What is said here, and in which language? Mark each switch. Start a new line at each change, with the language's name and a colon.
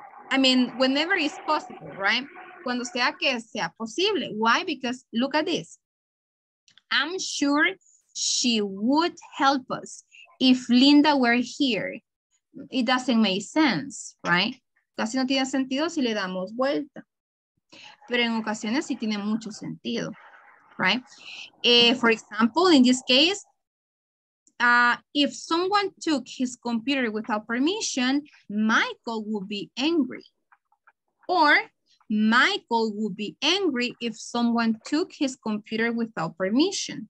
English: I mean, whenever it's possible, right?
Spanish: Cuando sea que sea posible.
English: Why? Because look at this. I'm sure she would help us if Linda were here. It doesn't make sense, right?
Spanish: Casi no tiene sentido si le damos vuelta. Pero en ocasiones sí tiene mucho sentido.
English: Right? For example, in this case, if someone took his computer without permission, Michael would be angry. Or Michael would be angry if someone took his computer without permission.